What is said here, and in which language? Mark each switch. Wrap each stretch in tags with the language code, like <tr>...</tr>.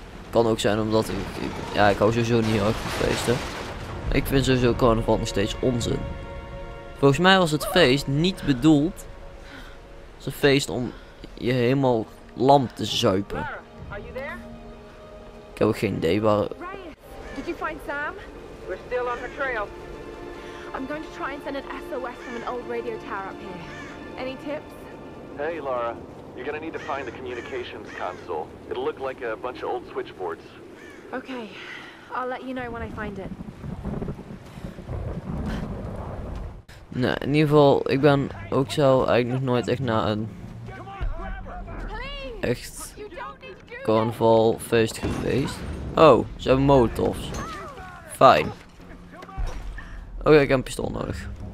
<nl>Kan ook zijn omdat ik hou sowieso niet erg van feesten. Ik vind sowieso carnaval nog steeds onzin. Volgens mij was het feest niet bedoeld. Het is een feest om je helemaal lam te zuipen. Ik heb ook geen idee waar...</nl> <en>Ryan, did you find Sam? We're still on the trail. I'm going to try and send an SOS from an old radio tower up here. Any tips? Hey, Laura. You're gonna need to find the communications console. It'll look like a bunch of old switchboards. Okay. I'll let you know when I find it.</en> <nl>Nou, in ieder geval, ik ben ook zo eigenlijk nog nooit echt naar een... echt... carnavalfeest geweest. Oh, ze hebben molotovs. Fijn. Oké, ik heb een pistool nodig.</nl>